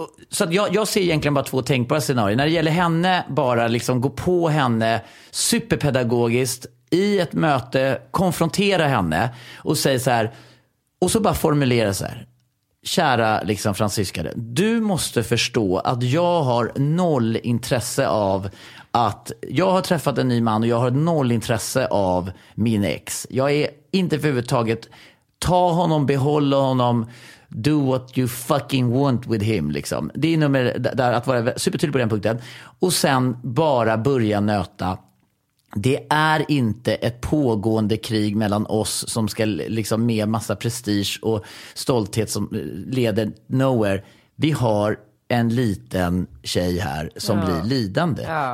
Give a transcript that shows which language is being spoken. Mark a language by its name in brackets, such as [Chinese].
[Swedish] Så att jag ser egentligen bara två tänkbara scenarier. När det gäller henne, bara liksom gå på henne superpedagogiskt i ett möte, konfrontera henne och säga så här... Och så bara formulera så här... Kära liksom fransyskare, du måste förstå att jag har noll intresse av att... Jag har träffat en ny man och jag har noll intresse av min ex. Jag är inte överhuvudtaget... Ta honom, behålla honom, [English] do what you fucking want with him. [Swedish] Liksom. Det är nummer där, att vara supertydlig på den punkten. Och sen bara börja nöta... Det är inte ett pågående krig mellan oss som ska liksom med massa prestige och stolthet som leder nowhere. Vi har en liten tjej här som blir lidande. Ja.